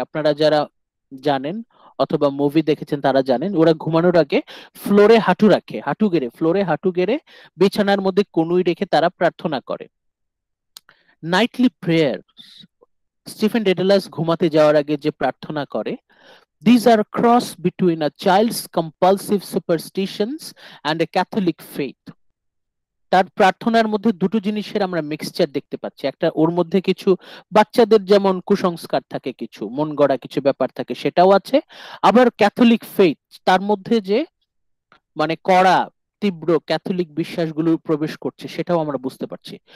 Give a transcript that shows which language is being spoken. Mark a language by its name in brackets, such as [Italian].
[Bangla] আপনারা যারা জানেন অথবা মুভি দেখেছেন তারা জানেন, ওরা ঘুমানোর আগে ফ্লোরে হাঁটু রাখে, হাঁটু গেড়ে, ফ্লোরে হাঁটু গেড়ে বিছানার মধ্যে কনুই রেখে তারা প্রার্থনা করে, [English] Nightly prayer. [Bangla] স্টিফেন ডেডালাস ঘুমাতে যাওয়ার আগে যে প্রার্থনা করে, [English] These are a cross between a child's compulsive superstitions and a Catholic faith. [Bangla] তার প্রার্থনার মধ্যে দুটো জিনিসের আমরা মিক্সচার দেখতে পাচ্ছি। একটা ওর মধ্যে কিছু বাচ্চাদের যেমন কুসংস্কার থাকে, কিছু মন গড়া কিছু ব্যাপার থাকে, সেটাও আছে। আবার ক্যাথলিক ফেইথ, তার মধ্যে যে মানে কড়া তীব্র ক্যাথলিক বিশ্বাসগুলো প্রবেশ করছে সেটাও আমরা বুঝতে পারছি।